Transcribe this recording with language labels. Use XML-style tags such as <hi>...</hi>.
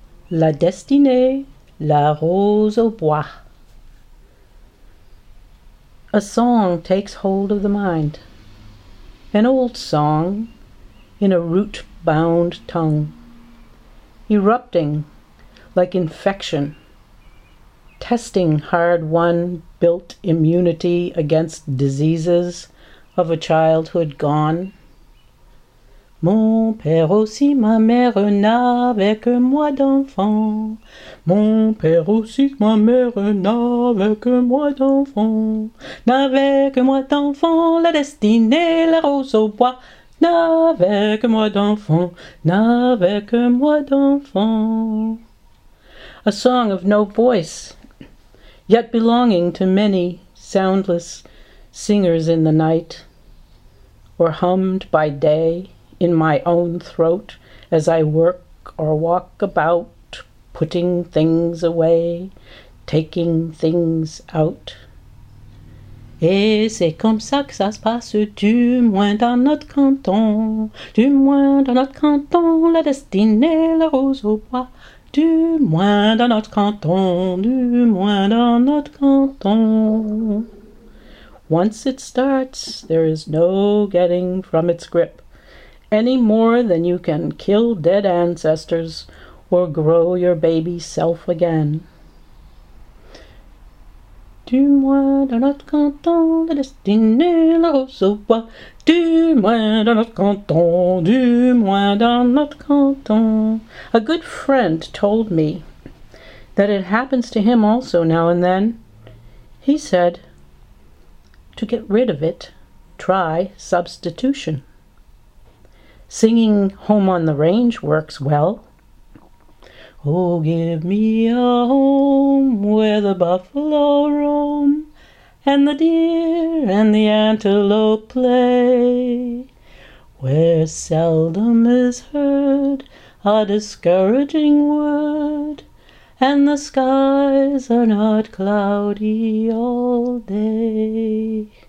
<fr>La destinée, la rose au bois.</fr> <en>A song takes hold of the mind. An old song in a root-bound tongue. Erupting like infection. Testing hard-won built immunity against diseases of a childhood gone.</en> <fr>Mon père aussi, ma mère n'avait que moi d'enfant. Mon père aussi, ma mère n'avait que moi d'enfant. N'avait que moi d'enfant, la destinée, la rose au bois. N'avait que moi d'enfant, n'avait que moi d'enfant.</fr> <en>A song of no voice, yet belonging to many soundless singers in the night, or hummed by day. In my own throat, as I work or walk about, putting things away, taking things out.</en> <fr>Et c'est comme ça que ça se passe, du moins dans notre canton, du moins dans notre canton, la destinée, la rose au bois, du moins dans notre canton, du moins dans notre canton.</fr> <en>Once it starts, there is no getting from its grip. Any more than you can kill dead ancestors or grow your baby self again.</en> <fr>Du moins dans notre canton, la destinée, la rose au bois. Du moins dans notre canton, du moins dans notre canton.</fr> <en>A good friend told me that it happens to him also now and then. He said, to get rid of it, try substitution. Singing Home on the Range works well. Oh, give me a home where the buffalo roam and the deer and the antelope play, where seldom is heard a discouraging word and the skies are not cloudy all day.</en>